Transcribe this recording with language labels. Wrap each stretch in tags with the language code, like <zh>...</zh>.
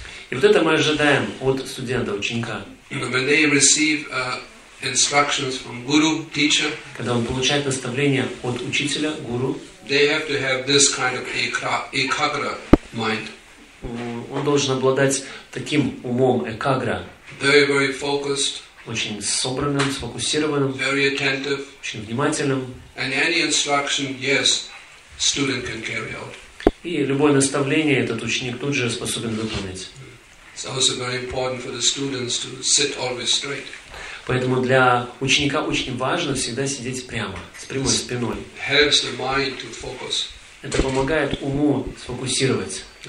<ru>И вот это мы ожидаем от студента, ученика.</ru> <en>When they receive instructions from guru, teacher,</en> <ru>когда он получает наставление от учителя, гуру,</ru> <en>they have to have this kind of ekagra mind.</en> <ru>Он должен обладать таким умом экагра.</ru> <en>Very, very focused.</en> <ru>Очень собранным, сфокусированным.</ru> <en>Very attentive.</en> <ru>Очень внимательным.</ru> <en>And any instruction, yes, student can carry out.</en> <ru>И любое наставление этот ученик тут же способен выполнить.</ru> <en>So it's very important for the students to sit always straight.</en> <ru>Поэтому для ученика очень важно всегда сидеть прямо, с прямой спиной.</ru> <en>Helps the mind to focus.</en> <ru>Это помогает уму сфокусировать.</ru>